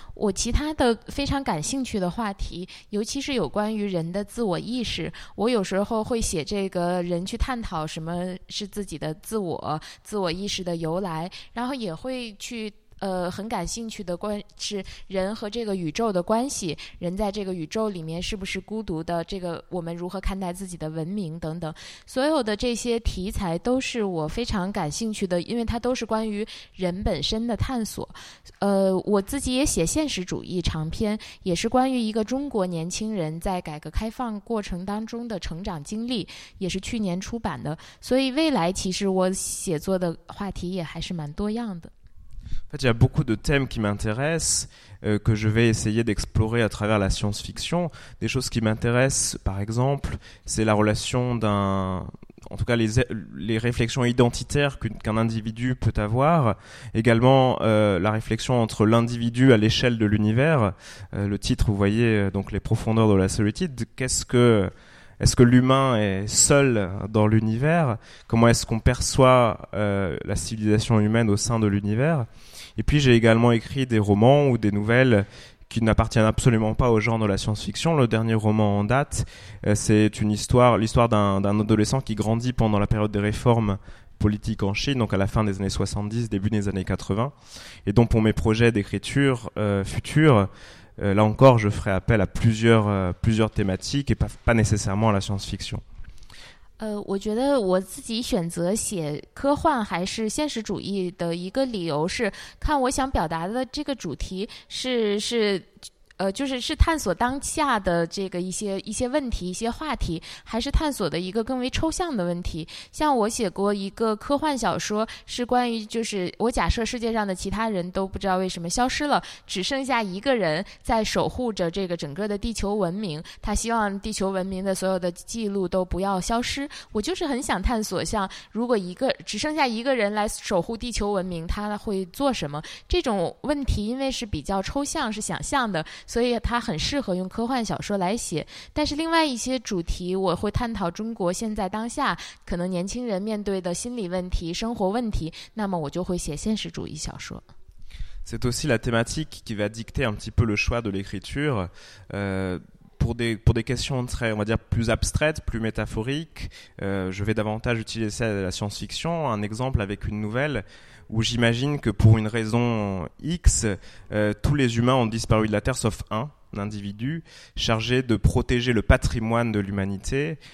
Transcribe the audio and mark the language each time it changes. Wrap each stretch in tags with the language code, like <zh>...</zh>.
<zh>我其他的非常感兴趣的话题，尤其是有关于人的自我意识，我有时候会写这个人去探讨什么是自己的自我意识的由来，然后也会去很感兴趣的关是人和这个宇宙的关系，人在这个宇宙里面是不是孤独的，这个我们如何看待自己的文明等等，所有的这些题材都是我非常感兴趣的，因为它都是关于人本身的探索。我自己也写现实主义长篇，也是关于一个中国年轻人在改革开放过程当中的成长经历，也是去年出版的，所以未来其实我写作的话题也还是蛮多样的。</zh> <fr>En fait, il y a beaucoup de thèmes qui m'intéressent, que je vais essayer d'explorer à travers la science-fiction. Des choses qui m'intéressent, par exemple, c'est la relation d'un... En tout cas, les réflexions identitaires qu'un individu peut avoir. Également, la réflexion entre l'individu à l'échelle de l'univers. Le titre, vous voyez, donc, « Les profondeurs de la solitude ». Est-ce que l'humain est seul dans l'univers? Comment est-ce qu'on perçoit la civilisation humaine au sein de l'univers? Et puis j'ai également écrit des romans ou des nouvelles qui n'appartiennent absolument pas au genre de la science-fiction. Le dernier roman en date, c'est l'histoire d'un adolescent qui grandit pendant la période des réformes politiques en Chine, donc à la fin des années 70, début des années 80, et donc pour mes projets d'écriture futurs, là encore, je ferai appel à plusieurs thématiques et pas nécessairement à la science-fiction.</fr> <zh>我觉得我自己选择写科幻还是现实主义的一个理由是，看我想表达的这个主题是探索当下的这个一些问题、一些话题，还是探索的一个更为抽象的问题。像我写过一个科幻小说，是关于就是我假设世界上的其他人都不知道为什么消失了，只剩下一个人在守护着这个整个的地球文明，他希望地球文明的所有的记录都不要消失。我就是很想探索，像如果一个只剩下一个人来守护地球文明，他会做什么？这种问题因为是比较抽象，是想象的，所以它很适合用科幻小说来写。但是另外一些主题，我会探讨中国现在当下可能年轻人面对的心理问题、生活问题，那么我就会写现实主义小说。</zh> <fr>C'est aussi la thématique qui va dicter un petit peu le choix de l'écriture. Pour des questions très, on va dire, plus abstraites, plus métaphoriques, je vais davantage utiliser la science-fiction. Un exemple avec une nouvelle où j'imagine que pour une raison X, tous les humains ont disparu de la Terre sauf un individu chargé de protéger le patrimoine de l'humanité.</fr>